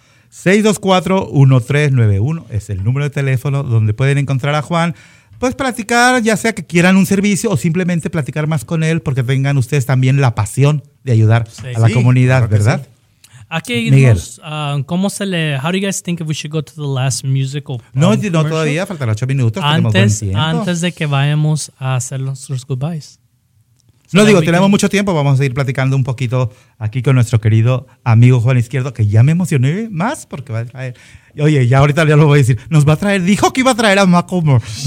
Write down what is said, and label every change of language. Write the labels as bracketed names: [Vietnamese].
[Spanish] 624-1391 es el número de teléfono donde pueden encontrar a Juan. Pues platicar, ya sea que quieran un servicio o simplemente platicar más con él, porque tengan ustedes también la pasión de ayudar a la comunidad, claro, ¿verdad? Aquí sí. Miguel, ¿cómo se le? [English] How do you guys think if we should go to the last musical? [Spanish] No, todavía faltan 8 minutos. Antes de que vayamos a hacer nuestros goodbyes. No, digo, tenemos mucho tiempo, vamos a ir platicando un poquito aquí con nuestro querido amigo Juan Izquierdo, que ya me emocioné más porque va a traer, oye, ya ahorita ya lo voy a decir, nos va a traer, dijo que iba a traer a Macklemore.